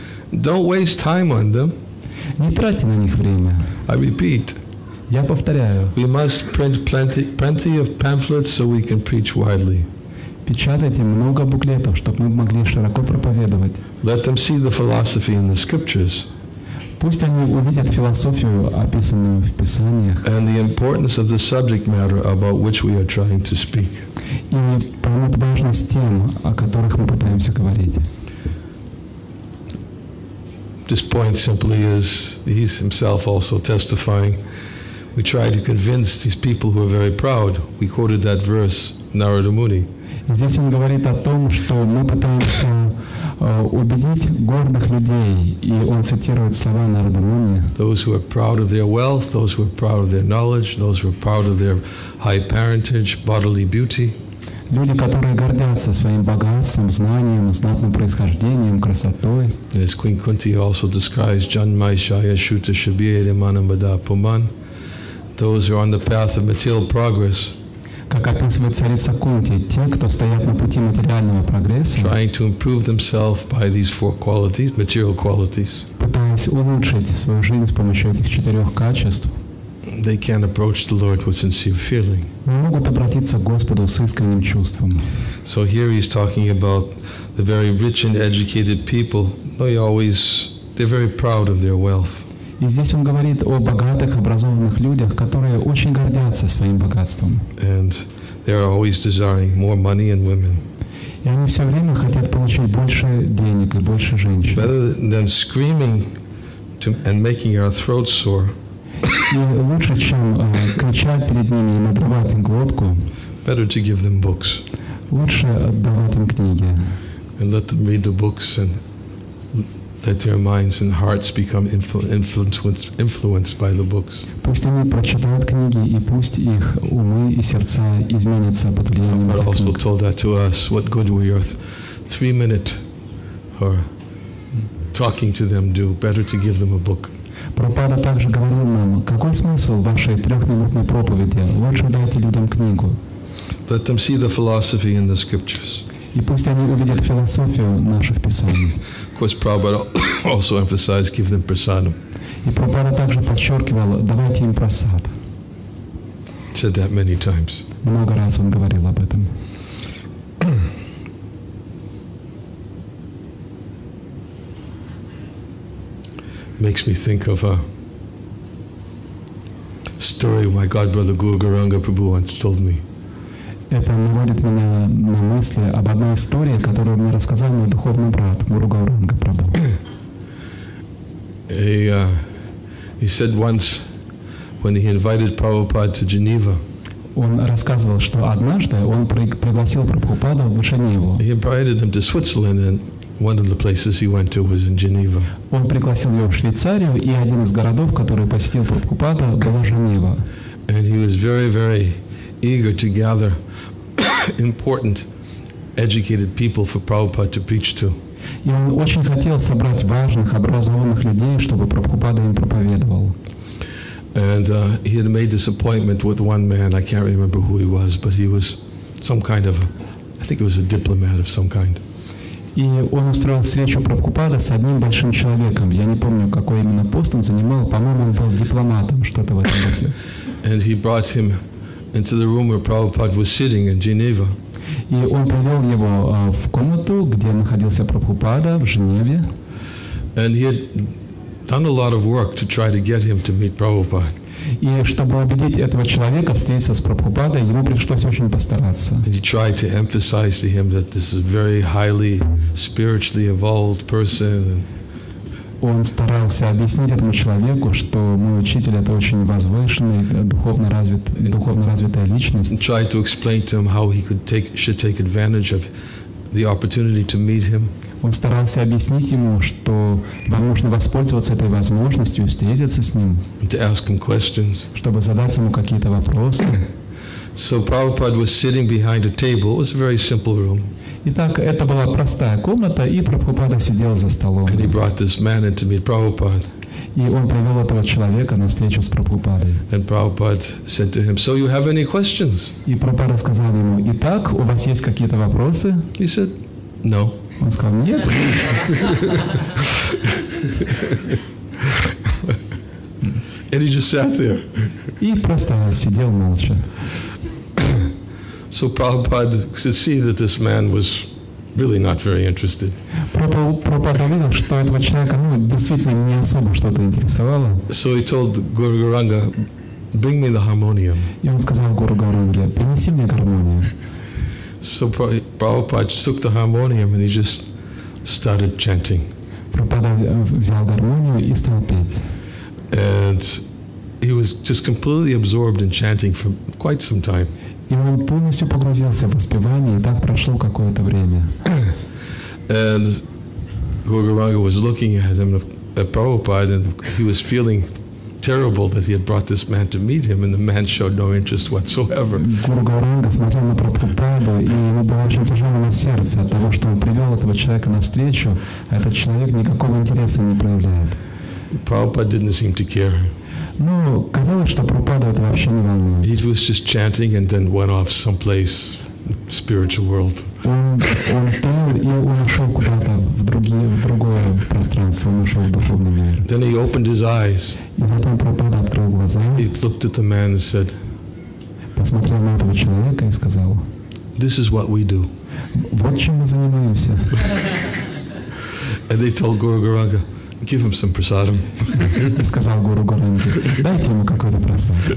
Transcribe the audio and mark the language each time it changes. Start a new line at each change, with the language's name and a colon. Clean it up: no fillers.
English: Don't waste time on them.
Russian: Не тратьте на них время.
English: I repeat.
Russian: Я повторяю.
English: We must print plenty of pamphlets so we can preach widely.
Russian: Печатайте много буклетов, чтобы мы могли широко проповедовать.
English: Let them see the philosophy in the scriptures.
Russian: Пусть они увидят философию, описанную в Писаниях.
English: And the importance of the subject matter about which we are trying to speak.
Russian: И поймут важность тем, о которых мы пытаемся говорить.
English: This point simply is, he's himself also testifying. We try to convince these people who are very proud. We quoted that verse, Narada Muni.
Russian: Здесь он говорит о том, что мы пытаемся убедить гордых людей, и он цитирует слова Нарада Муни.
English: Those who are proud of their wealth, those who are proud of their knowledge, those who are proud of their high parentage, bodily beauty.
Russian: Люди, которые гордятся своим богатством, знанием, знатным происхождением, красотой.
English: As Queen Kunti also describes,
Sanskrit: Janmai Shaya Shuta Shabiri Manamada Puman,
English: those who are on the path of material progress.
Russian: Как описывает царица Кунти, те, кто стоят на пути материального прогресса,
English: trying to improve themselves by these four qualities, material qualities,
Russian: пытаясь пытаясь улучшить свою жизнь с помощью этих четырех качеств,
English: they can't approach the Lord with sincere feeling.
Russian: Не могут обратиться к Господу с искренним чувством.
English: So here he's talking about the very rich and educated people. They're very proud of their wealth.
Russian: И здесь он говорит о богатых, образованных людях, которые очень гордятся своим богатством.
English: And they are always desiring more money and women.
Russian: И они все время хотят получить больше денег и больше женщин.
English: Rather than screaming and making our throats sore.
Russian: И лучше, чем кричать перед ними и надрывать им глотку,
English: better to give them books.
Russian: Лучше отдавать им книги.
English: And let them read the books and let their minds and hearts become influenced by the books.
Russian: Пусть они прочитают книги, и пусть их умы и сердца изменятся под влиянием этих книг.
English: But also told that to us, what good will your 3-minute or talking to them do? Better to give them a book.
Russian: Пропада также говорил нам, какой смысл вашей трехминутной проповеди? Лучше дайте людям книгу.
English: Let them see the philosophy in the scriptures.
Russian: И пусть они увидят философию наших писаний.
English: Of course, Prabhupada also emphasized, give them prasadam.
Russian: И Пропада также подчеркивал, давайте им прасад.
English: Said that many times.
Russian: Много раз он говорил об этом.
English: Makes me think of a story my godbrother Guru Gauranga Prabhu once told me.
Russian: Это наводит меня на мысли об одной истории, которую мне рассказал мой духовный брат Гуру Гауранга Прабху.
English: He said once when he invited Prabhupada to Geneva.
Russian: Он рассказывал, что однажды он пригласил Прабхупаду в Женеву.
English: He invited him to Switzerland and one of the places he went to was in Geneva.
Russian: Он пригласил его в Швейцарию, и один из городов, который посетил Прабхупада, была Женева.
English: And he was very, very eager to gather important, educated people for Prabhupada to preach to.
Russian: И он очень хотел собрать важных, образованных людей, чтобы Прабхупада им проповедовал.
English: And he had made this appointment with one man. I can't remember who he was, but he was some kind of, I think it was a diplomat of some kind.
Russian: И он устроил встречу Прабхупада с одним большим человеком. Я не помню, какой именно пост он занимал. По-моему, он был дипломатом, что-то в этом роде.
English: And he brought him into the room where Prabhupada was sitting in Geneva.
Russian: И он привел его в комнату, где находился Прабхупада в Женеве.
English: And he had done a lot of work to try to get him to meet Prabhupada.
Russian: И чтобы убедить этого человека встретиться с Прабхупадой, ему пришлось очень постараться.
English: He tried to emphasize to him that this is a very highly spiritually evolved person.
Russian: Он старался объяснить этому человеку, что мой учитель это очень возвышенный, духовно развитая личность.
English: He tried to explain to him how he should take advantage of the opportunity to meet him.
Russian: Он старался объяснить ему, что вам нужно воспользоваться этой возможностью встретиться с ним,
English: to ask him questions.
Russian: Чтобы задать ему какие-то вопросы.
English: So Prabhupada was sitting behind a table. It was a very simple room.
Russian: Итак, это была простая комната, и Прабхупада сидел за столом.
English: And he brought this man in to meet Prabhupada.
Russian: И он привел этого человека на встречу с Прабхупадой.
English: And Prabhupada said to him, "So you have any questions?"
Russian: И Прабхупада сказал ему, "Итак, у вас есть какие-то вопросы?"
English: He said, "No."
Russian: Он сказал, нет.
English: And he just sat there.
Russian: И просто сидел молча.
English: So Prabhupada could see that this man was really not very interested.
Russian: Прабхупада видел, что этого человека действительно не особо что-то интересовало.
English: So he told Guru Gauranga, bring me the harmonium.
Russian: И он сказал Гуру Гауранге, принеси мне гармонию.
English: So Prabhupada took the harmonium and he just started chanting.
Russian: Prabhupada взял гармонию и стал петь.
English: And he was just completely absorbed in chanting for quite some time.
Russian: И он полностью погрузился в воспевание, и так прошло какое-то время.
English: And Guru Gauranga was looking at him, at Prabhupada, and he was feeling terrible that he had brought this man to meet him, and the man showed no interest whatsoever.
Russian: Guru Gauranga смотрел на Прабхупаду, и ему было очень тяжело на сердце от того, что он привел этого человека на встречу, а этот человек никакого интереса не проявляет.
English: Prabhupada didn't seem to care.
Russian: Но казалось, что Прабхупаду это вообще не волнует.
English: He was just chanting and then went off someplace, spiritual world.
Russian: Он встал и ушел куда-то в другое пространство, он ушел в духовный мир.
English: Then he opened his eyes.
Russian: И затем Прабхупада открыл глаза.
English: He looked at the man and said,
Russian: посмотрел на этого человека и сказал,
English: this is what we do.
Russian: Вот чем мы занимаемся.
English: And they told Guru Gauranga, give him some prasadam.
Russian: Сказал Гуру Гуранге, дайте ему какой-то прасад.